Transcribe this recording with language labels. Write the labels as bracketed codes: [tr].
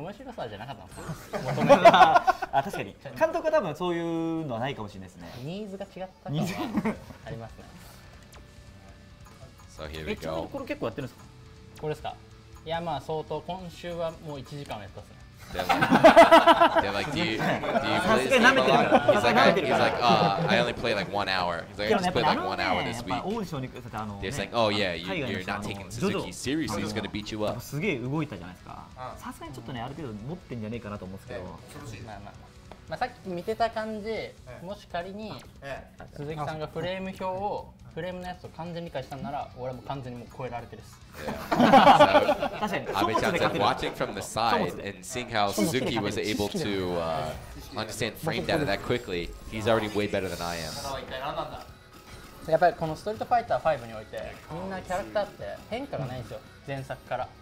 [ja] 面白さじゃなかったもん。求めた。確かに。監督は多分そういうのはないかもしれないですね。ニーズが違ったのはありますね。 [en] So here we go。 [ja] これ結構やってるんですか。これですか。いやまあ相当今週はもう1時間やったっすね。 [en] They're like, do you play this game a lot? He's like, I only play like 1 hour. He's like, I just played like 1 hour this week. They're saying, oh yeah, you're not taking Suzuki seriously. He's gonna beat you up. [ja] すげえ動いたじゃないですか。さすがにちょっとねある程度持ってんじゃねえかなと思うんですけど。まあさっき見てた感じ、もし仮に鈴木さんがフレーム表をフレームのやつを完全に理解したんなら、俺も完全にもう超えられてるっす。 [en] 阿部ちゃん、watching from the side and seeing how Suzuki was able to understand frame data that quickly, he's already way better than I am. [ja] やっぱりこのストリートファイター5においてみんなキャラクターって変化がないんですよ、前作から。